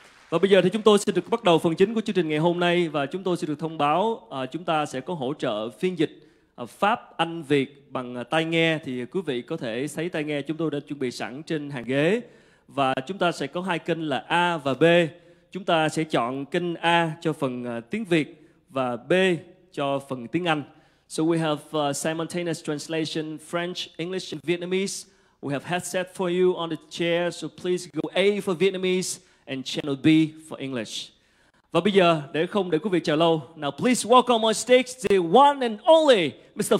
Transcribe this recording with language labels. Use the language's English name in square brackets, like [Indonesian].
[Vietnamese] Và bây giờ thì chúng tôi sẽ được bắt đầu phần chính của chương trình ngày hôm nay và chúng tôi sẽ được thông báo chúng ta sẽ có hỗ trợ phiên dịch Pháp, Anh, Việt bằng tai nghe. Thì quý vị có thể xấy tai nghe, chúng tôi đã chuẩn bị sẵn trên hàng ghế. Và chúng ta sẽ có hai kênh là A và B. Chúng ta sẽ chọn kênh A cho phần tiếng Việt và B cho phần tiếng Anh. [English] So we have simultaneous translation, French, English, and Vietnamese. We have headset for you on the chair, so please go A for Vietnamese and channel B for English. [Vietnamese] Và bây giờ, để không để quý vị chờ lâu, [English] now please welcome on stage the one and only Mr.